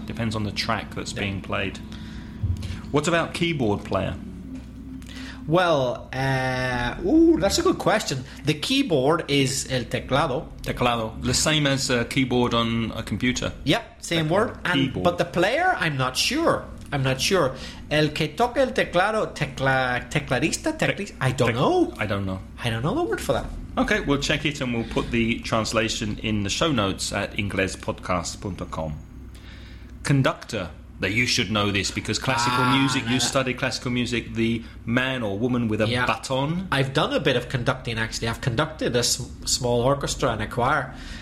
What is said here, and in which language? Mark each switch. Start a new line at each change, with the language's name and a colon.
English: Depends on the track that's being played. What about keyboard player? Well, that's a good question. The keyboard is
Spanish: el teclado. Teclado.
English: The same as a keyboard on a computer. Yep, same teclado. Word. And, keyboard. But the player, I'm not sure.
Spanish: El que toca el teclado, tecladista?
English: I don't know. I don't know. I don't know the word for that. Okay, we'll check it and we'll put the translation in the show notes at inglespodcast.com. Conductor. That you should know this because classical music, you studied classical music, the man or woman with a baton. I've done a bit of conducting, actually. I've conducted a small orchestra and a choir.